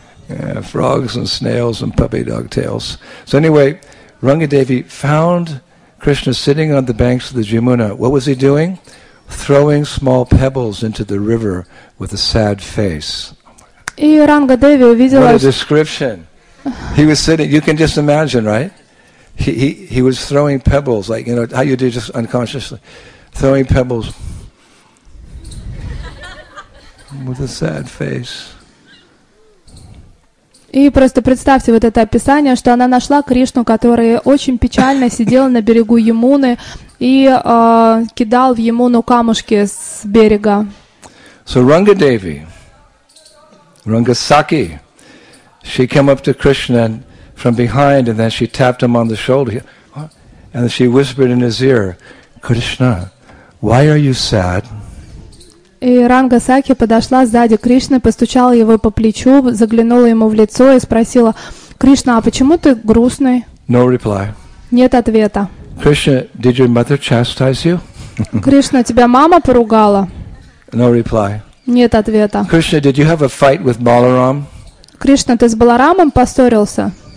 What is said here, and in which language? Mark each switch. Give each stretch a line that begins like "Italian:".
English: Yeah, frogs and snails and puppy dog tails. So anyway, Ranga Devi found Krishna sitting on the banks of the Jamuna. What was he doing? Throwing small pebbles into the river with a sad face.
Russian: И Ранга Деви увидела...
English: What a description. He was sitting, you can just imagine, right? He was throwing pebbles, like, you know, how you do just unconsciously. Throwing pebbles with a sad face.
Russian: И просто представьте вот это описание, что она нашла Кришну, который очень печально сидел на берегу Ямуны и кидал в Ямуну камушки с берега.
English: So Ranga Devi, Ranga Saki, she came up to Krishna and from behind, and then she tapped him on the shoulder, and she whispered in his ear, "Krishna, why are you sad?"
Russian: И Ранга Сакхи подошла сзади Кришны, постучала его по плечу, заглянула ему в лицо и спросила: "Кришна, а почему ты грустный?"
English: No reply.
Russian: Нет ответа.
English: Krishna, did your mother chastise you?
Russian: Кришна, тебя мама поругала?
English: No reply.
Russian: Нет ответа.
English: Krishna, did you have a fight with Balaram?
Russian: Кришна, ты с Баларамом поссорился?